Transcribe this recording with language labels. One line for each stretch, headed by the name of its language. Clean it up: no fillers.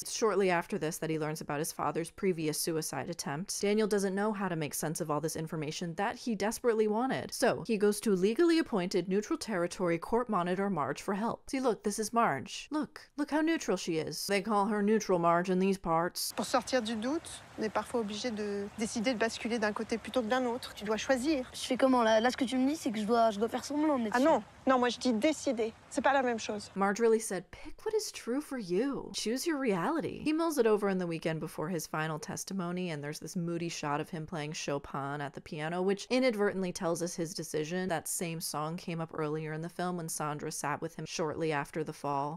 English: It's shortly after this that he learns about his father's previous suicide attempt. Daniel doesn't know how to make sense of all this information that he desperately wanted. So, he goes to a legally appointed neutral territory court monitor Marge for help. See, look, this is Marge. Look, look how neutral she is. They call her neutral Marge in these parts.
French: Pour sortir du doute, on est parfois obligé de décider de basculer d'un côté plutôt que d'un autre. Tu dois choisir. Je fais comment là? Là, ce que tu me dis, c'est que je dois faire semblant. Ah non. Non, moi je dis décider. C'est pas la même chose.
English: Marge really said, pick what is true for you. Choose your reality. He mulls it over in the weekend before his final testimony, and there's this moody shot of him playing Chopin at the piano, which inadvertently tells us his decision. That same song came up earlier in the film when Sandra sat with him shortly after the fall.